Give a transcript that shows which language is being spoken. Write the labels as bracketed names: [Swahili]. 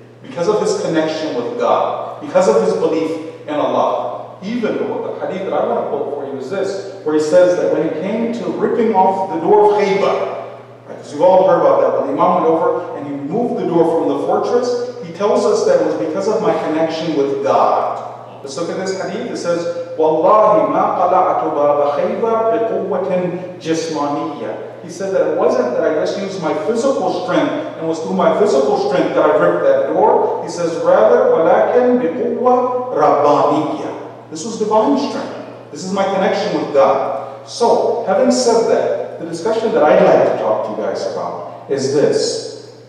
[English] Because of his connection with God. Because of his belief in Allah. Even the hadith that I want to quote for you is this, where he says that when it came to ripping off the door of Khaybah, right, as you've all heard about that, when the Imam went over and he moved the door from the fortress, he tells us that it was because of my connection with God. Let's look at this hadith. It says, [Arabic] وَاللَّهِ مَا قَلَعْتُ بَابَ خَيْبَ بِقُوَّةٍ جِسْمَانِيَّةٍ. [English] He said that it wasn't that I just used my physical strength, and it was through my physical strength that I ripped that door. He says, rather, [Arabic] وَلَكِنْ بِقُوَّةٍ رَبَّانِيَّةٍ. [English] This was divine strength. This is my connection with God. So, having said that, the discussion that I'd like to talk to you guys about is this.